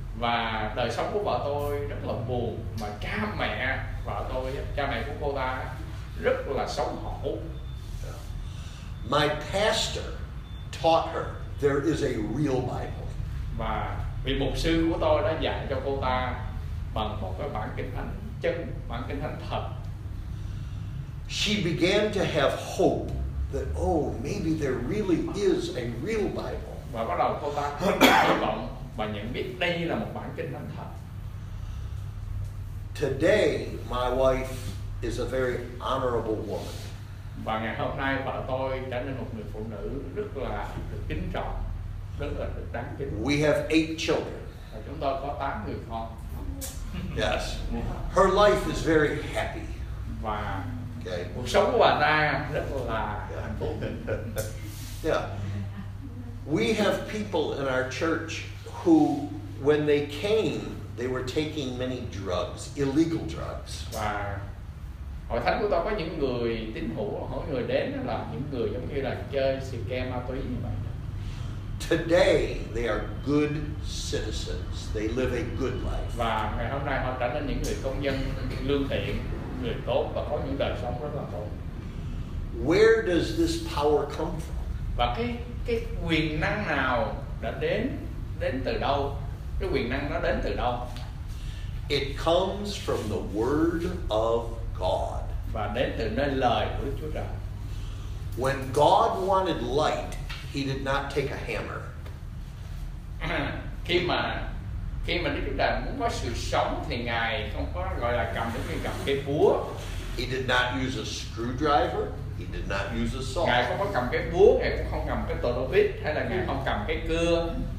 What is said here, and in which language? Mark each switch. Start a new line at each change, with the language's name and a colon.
Vietnamese: Và đời sống của vợ tôi rất là buồn, mà cha mẹ vợ tôi, cha mẹ của cô ta rất là xấu hổ.
English: My pastor taught her there is a real Bible.
Vietnamese: Và vị mục sư của tôi đã dạy cho cô ta bằng một cái bản kinh thánh chân, bản kinh thánh thật.
English: She began to have hope that, oh, maybe there really is a real Bible.
Vietnamese: Và bắt đầu cô ta có hy vọng và nhận biết đây là một bản kinh thánh thật.
English: Today, my wife is a very honorable woman.
Vietnamese: Và ngày hôm nay vợ tôi trở nên một người phụ nữ rất là được kính trọng, rất là được đáng kính.
English: We have 8 children.
Vietnamese: Và chúng tôi có 8 người con.
English: Yes. Her life is very happy.
Vietnamese: Và cuộc sống của bà ta rất là hạnh phúc.
English: Yeah. We have people in our church who, when they came, they were taking many drugs, illegal drugs.
Vietnamese: Và hội thánh của tôi có những người tín hữu, mỗi người đến là những người giống như là chơi xì ke ma túy như vậy.
English: Today they are good citizens. They live a good life.
Vietnamese: Và ngày hôm nay họ trở nên những người công dân lương thiện, người tốt và có những đời sống rất là tốt.
English: Where does this power come from?
Vietnamese: Và cái quyền năng nào đã đến từ đâu? Cái quyền năng nó đến từ đâu?
English: It comes from the word of God.
Vietnamese: Và đến từ nơi lời của Đức Chúa Trời.
English: When God wanted light, He did not take a hammer.
Vietnamese: Khi mà Đức Chúa Trời muốn có sự sống thì Ngài không có gọi là cầm đến cái cầm cái búa.
English: He did not use a screwdriver. He did not use a saw.
Vietnamese: Ngài không có cầm cái búa, Ngài cũng không cầm cái tô lô vít, hay là Ngài không cầm cái cưa.